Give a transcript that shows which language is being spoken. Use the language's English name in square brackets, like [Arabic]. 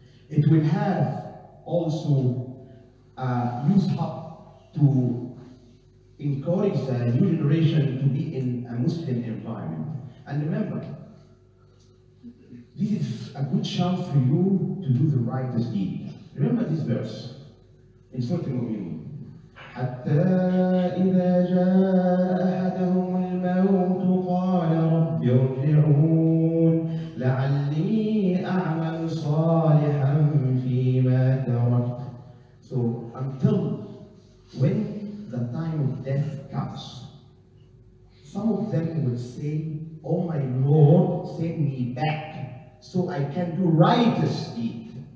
[English] It will have also a youth hub to encourage the new generation to be in a Muslim environment. And remember, this is a good chance for you to do the righteous deed. Remember this verse in Surah Al-Mu'minun. [Arabic] حتى إذا جاء أحدهم الموت قال ربي ارجعون لعلي أعمل صالحا فيما تركت. [English] So until when the time of death comes, some of them would say, oh my Lord, send me back so I can do righteous deed.